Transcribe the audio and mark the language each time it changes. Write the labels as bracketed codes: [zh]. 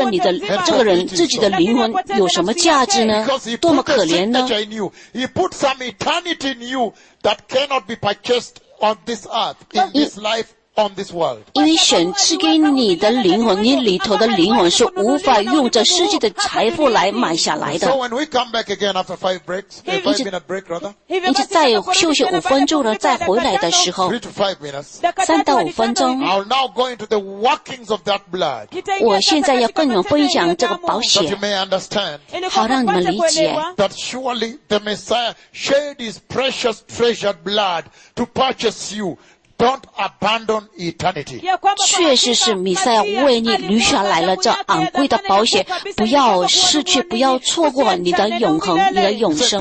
[zh] 这是为什么主跟你们说过，一个人得着了全世界的财富，可是失去了你的这个人自己的灵魂，有什么价值呢？多么可怜呢？ [en] He put some eternity in you that cannot be purchased on this earth, in this life. On this world. [zh] 因为神赐给你的灵魂，你里头的灵魂是无法用这世界的财富来买下来的。 [en] So when we come back again after five breaks, five minute break, rather. [zh] 你再休息五分钟呢，再回来的时候， [en] 3 to 5 minutes. I'll now go into the workings of that blood. [zh] 我现在要跟你们分享这个宝血， [en] that you may understand. [zh] 好让你们理解。 [en] That surely the Messiah shed his precious treasured blood to purchase you. Don't abandon eternity. [zh] 确实是弥赛亚为你留下来了这昂贵的宝血，不要失去，不要错过你的永恒，你的永生。